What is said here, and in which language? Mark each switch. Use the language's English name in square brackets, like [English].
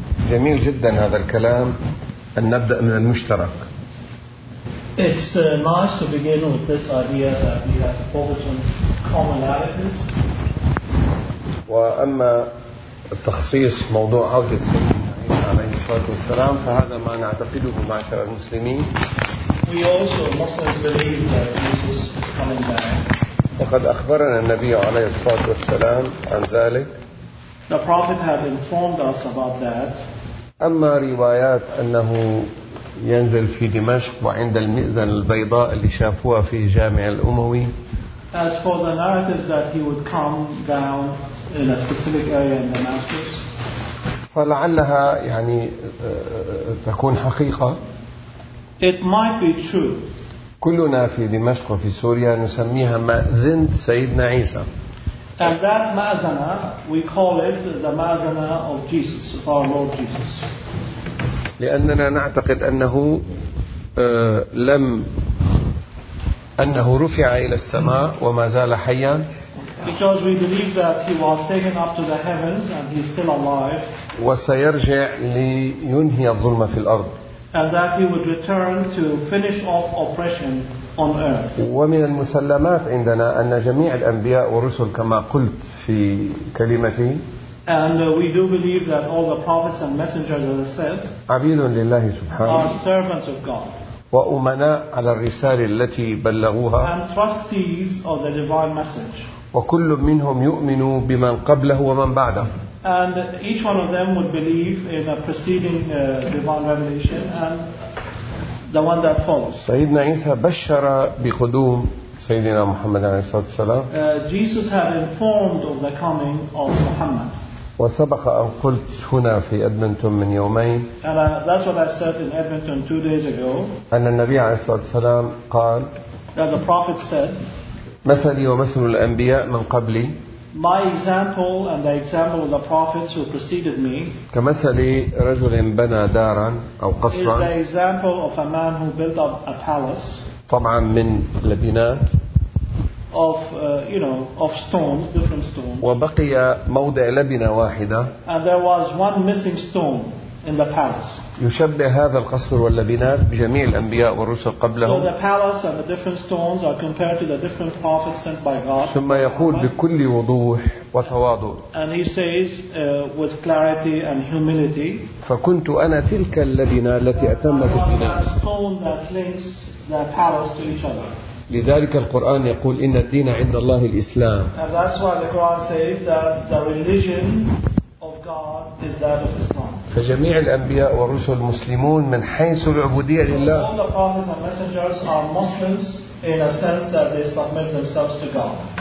[Arabic] جميل جدا هذا الكلام أن نبدأ من المشترك. [English] It's nice to begin with this idea that we have to focus on commonalities. [Arabic] وأما التخصيص موضوع عودة سيدنا عليه الصلاة والسلام فهذا ما نعتقده معشر المسلمين. [English] We also Muslims believe that Jesus is coming back. [Arabic] وقد أخبرنا النبي عليه الصلاة والسلام عن ذلك. [English] The Prophet had informed us about that. [Arabic] أما روايات أنه ينزل في دمشق وعند المئذن البيضاء اللي شافوها في جامع الأموي. [English] As for the narrative that he would come down in a specific area in Damascus. [Arabic] فلعلها يعني تكون حقيقة. [English] It might be true. [Arabic] كلنا في دمشق وفي سوريا نسميها مأذنة سيدنا عيسى. [English] And that مأذنة we call it the مأذنة of Jesus, of our Lord Jesus. [Arabic] لأننا نعتقد أنه لم أنه رفع إلى السماء وما زال حيا. [English] Because we believe that he was taken up to the heavens and he is still alive. [Arabic] وسيرجع لينهي الظلم في الأرض. [English] And that he would return to finish off oppression on earth. [Arabic] ومن المسلمات عندنا أن جميع الأنبياء والرسل كما قلت في كلمتي. [English] And we do believe that all the prophets and messengers that are said. [Arabic] عبيد لله سبحانه. [English] Are servants of God. [Arabic] وأمناء على الرسالة التي بلغوها. [English] And trustees of the divine message. [Arabic] وكل منهم يؤمن بمن قبله ومن بعده. [English] And each one of them would believe in a preceding divine revelation and the one that follows. [Arabic] سيدنا عيسى بشر بقدوم سيدنا محمد عليه الصلاة والسلام. [English] Jesus had informed of the coming of Muhammad. [Arabic] وسبق أن قلت هنا في أدمنتون من يومين. [English] And that's what I said in Edmonton 2 days ago. [Arabic] أن النبي عليه الصلاة والسلام قال. [English] That the prophet said. [Arabic] مثلي ومثل الأنبياء من قبلي. [English] My example and the example of the prophets who preceded me. [Arabic] كمثل رجل بنى دارا أو قصرا. [English] Is the example of a man who built up a palace. [Arabic] طبعا من لبنات. [English] Of you know of stones, different stones. [Arabic] وبقي موضع لبنة واحدة. [English] And there was one missing stone in the palace. [Arabic] يشبه هذا القصر والبنات بجميع الأنبياء والرسل قبلهم. [English] So the palace and the different stones are compared to the different prophets sent by God. [Arabic] ثم يقول بكل وضوح وتواضع. [English] And he says with clarity and humility. [Arabic] فكنت أنا تلك اللبنة التي أتمت البناء. [English] Stone that links the palace to each other. [Arabic] لذلك القرآن يقول إن الدين عند الله الإسلام. [English] And that's why the Quran says that the religion of God is that of Islam. [Arabic] فجميع الأنبياء والرسل مسلمون من حيث العبودية لله. [English] All the prophets and messengers are Muslims in a sense that they submit themselves to God.